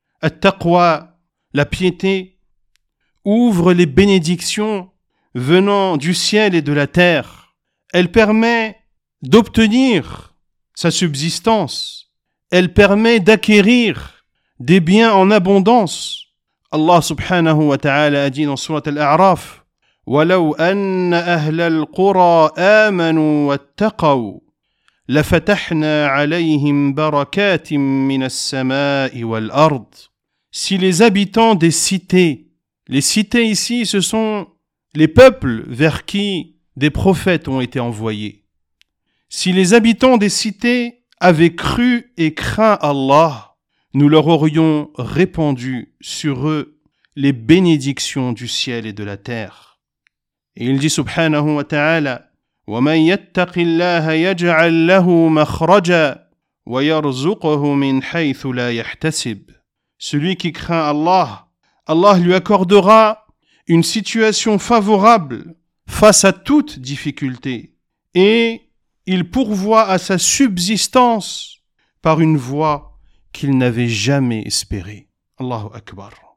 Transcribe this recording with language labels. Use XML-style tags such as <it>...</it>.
<fr>At-taqwa, la piété, ouvre les bénédictions venant du ciel et de la terre. Elle permet d'obtenir sa subsistance. Elle permet d'acquérir des biens en abondance.</fr> <ar>Allah subhanahu wa ta'ala</ar> <fr>a dit dans sourate</fr> <ar>Al-A'raf وَلَوْ أَنَّ أَهْلَ الْقُرَىٰ آمَنُوا وَاتَّقَوْا لَفَتَحْنَا عَلَيْهِمْ بَرَكَاتٍ مِّنَ السَّمَاءِ وَالْأَرْضِ.</ar> <fr>Si les habitants des cités, les cités ici ce sont les peuples vers qui des prophètes ont été envoyés, si les habitants des cités avaient cru et craint Allah, nous leur aurions répandu sur eux les bénédictions du ciel et de la terre.</fr> <ar>Et il dit subhanahu wa ta'ala, وَمَنْ يَتَّقِ اللَّهَ يَجْعَلْ لَهُ مَخْرَجًا وَيَرْزُقَهُ مِنْ حَيْثُ لَا يَحْتَسِبْ.</ar> <fr>Celui qui craint Allah, Allah lui accordera une situation favorable face à toute difficulté, et il pourvoit à sa subsistance par une voie qu'il n'avait jamais espéré. Allahu Akbar.</fr>